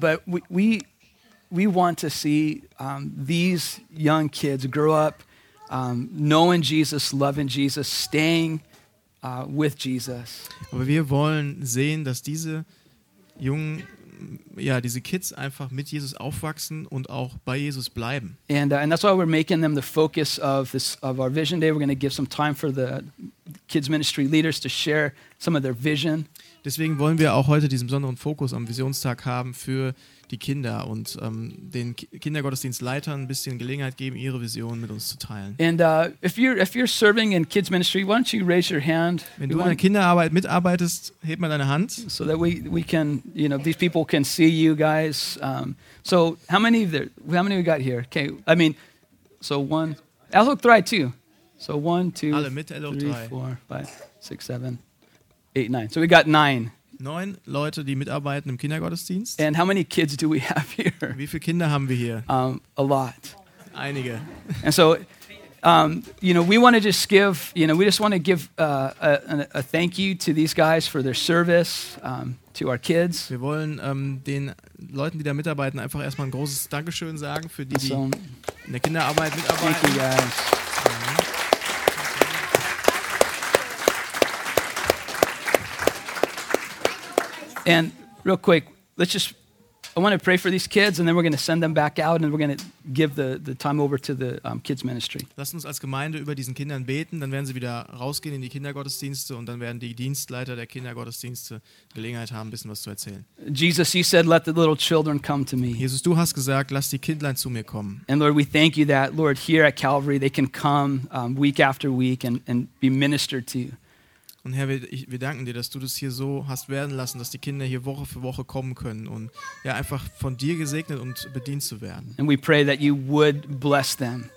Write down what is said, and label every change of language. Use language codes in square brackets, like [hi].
[en] But we want to see these young kids grow up knowing Jesus, loving Jesus, staying with Jesus. [de] Aber wir wollen sehen, dass diese jungen, ja, diese Kids einfach mit Jesus aufwachsen und auch bei Jesus bleiben. [en] And that's why we're making them the focus of this of our vision day. We're going to give some time for the kids ministry leaders to share some of their vision. [de] Deswegen wollen wir auch heute diesen besonderen Fokus am Visionstag haben für die Kinder und den Kindergottesdienstleitern ein bisschen Gelegenheit geben, ihre Vision mit uns zu teilen. [en] And if you're serving in kids ministry, why don't you raise your hand? [de] Wenn du in der Kinderarbeit mitarbeitest, heb mal deine Hand. [en] So that we can, you know, these people can see you guys. So how many we got here? Okay, I mean, so one, Elhook 3 too. So 1, 2, [de] alle mit Elhook 3. [en] 4, 5, 6, 7. 8, 9. So we got 9. [de] 9 Leute, die mitarbeiten im Kindergottesdienst. [en] And how many kids do we have here? [de] Wie viele Kinder haben wir hier? [en] A lot. [de] Einige. [en] And so, you know, we want to just give, you know, we just want to give a thank you to these guys for their service to our kids. [de] Wir wollen den Leuten, die da mitarbeiten, einfach erstmal ein großes Dankeschön sagen für die, die in der Kinderarbeit mitarbeiten. [en] Thank you guys. And real quick, I want to pray for these kids and then we're going to send them back out and we're going to give the time over to the kids ministry. [de] Lass uns als Gemeinde über diesen Kindern beten, dann werden sie wieder rausgehen in die Kindergottesdienste und dann werden die Dienstleiter der Kindergottesdienste Gelegenheit haben, ein bisschen was zu erzählen. [en] Jesus, you said, let the little children come to me. [de] Jesus, du hast gesagt, lass die Kindlein zu mir kommen. [en] And Lord, we thank you that, Lord, here at Calvary, they can come week after week and be ministered to. [de] Und Herr, wir danken dir, dass du das hier so hast werden lassen, dass die Kinder hier Woche für Woche kommen können und ja einfach von dir gesegnet und bedient zu werden. [en] And we pray that you would bless them.